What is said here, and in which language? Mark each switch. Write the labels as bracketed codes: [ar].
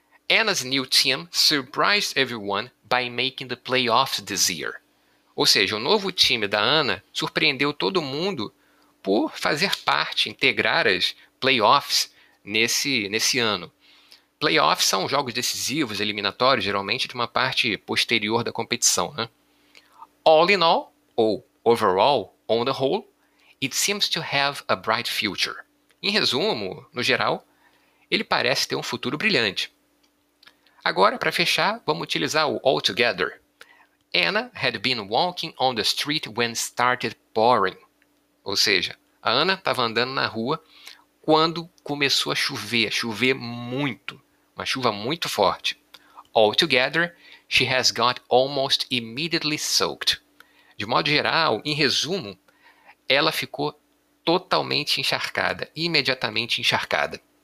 [en] Anna's new team surprised everyone by making the playoffs this year. [pt] Ou seja, o novo time da Anna surpreendeu todo mundo por fazer parte, integrar as playoffs nesse ano. Playoffs são jogos decisivos, eliminatórios, geralmente de uma parte posterior da competição. Né? [en] All in all, ou overall, on the whole, it seems to have a bright future. [pt] Em resumo, no geral, ele parece ter um futuro brilhante. Agora, para fechar, vamos utilizar o [en] all together. Anna had been walking on the street when started pouring. [pt] Ou seja, a Anna estava andando na rua quando começou a chover muito. Uma chuva muito forte. [en] Altogether, she has got almost immediately soaked. [pt] De modo geral, em resumo, ela ficou totalmente encharcada, imediatamente encharcada.